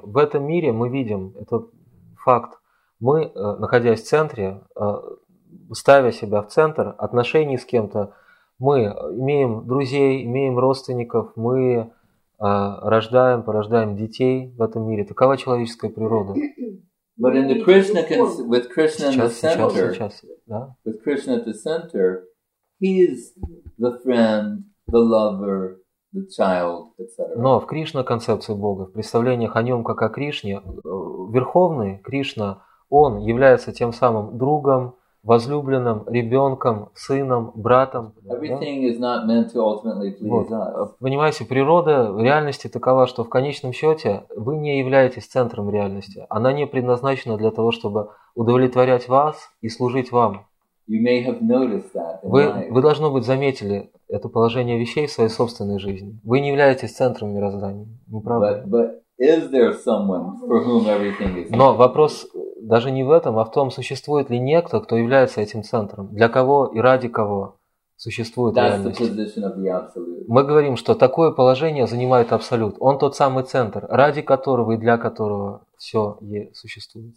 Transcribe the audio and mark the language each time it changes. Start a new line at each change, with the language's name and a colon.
Russian: В этом мире мы видим этот факт. Мы, находясь в центре, ставя себя в центр отношений с кем-то, мы имеем друзей, имеем родственников, мы рождаем, порождаем детей в этом мире. Такова человеческая природа.
English: But in the Krishna, with Krishna in the center,
Russian: сейчас, да?
English: With Krishna at the center, He is the friend, the lover, the child, etc.
Russian: Но в Кришна концепции Бога, в представлениях о нем как о Кришне, верховный Кришна, он является тем самым другом, возлюбленным, ребенком, сыном, братом.
English: Everything is not meant to ultimately please us.
Russian: Понимаете, природа реальности такова, что в конечном счете вы не являетесь центром реальности. Она не предназначена для того, чтобы удовлетворять вас и служить вам.
English: You may have noticed that in life.
Russian: Вы должно быть заметили это положение вещей в своей собственной жизни. Вы не являетесь центром мироздания, не правда?
English: But is there someone for whom everything is?
Russian: Но вопрос даже не в этом, а в том, существует ли некто, кто является этим центром, для кого и ради кого существует реальность. Мы говорим, что такое положение занимает Абсолют. Он тот самый центр, ради которого и для которого все существует.